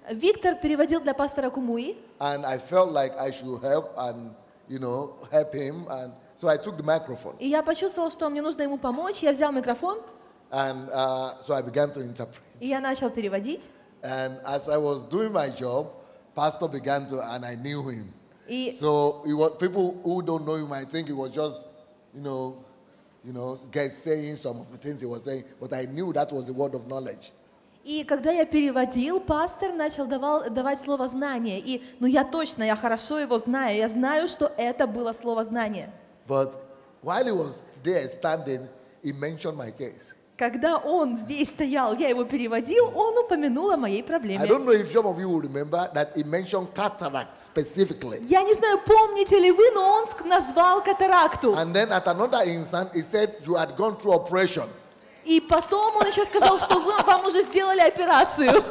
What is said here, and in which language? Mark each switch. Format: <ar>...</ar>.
<ru>Виктор переводил для пастора Кумуи.</ru> <en>And I felt like I should help and, you know, help him. And so I took the microphone.</en> <ru>И я почувствовал, что мне нужно ему помочь. Я взял микрофон.</ru> <en>And so I began to interpret.</en> <ru>И я начал переводить.</ru> <en>And as I was doing my job, Pastor began to, and I knew him. So it was, people who don't know him, I think it was just, you know, guys saying some of the things he was saying, but I knew that was the word of knowledge.</en> <ru>И когда я переводил, пастор начал давать слово знания. И, ну, я точно, я хорошо его знаю. Я знаю, что это было слово знания.</ru> <en>But while he was there standing, he mentioned my case.</en> <ru>Когда он здесь стоял, я его переводил, он упомянул о моей проблеме.</ru> <en>I don't know if some of you will remember that he mentioned cataract specifically.</en> <ru>Я не знаю, помните ли вы, но он назвал катаракту.</ru> <en>And then at another instant, he said you had gone through operation.</en> <ru>И потом он еще сказал, что вам уже сделали операцию.</ru>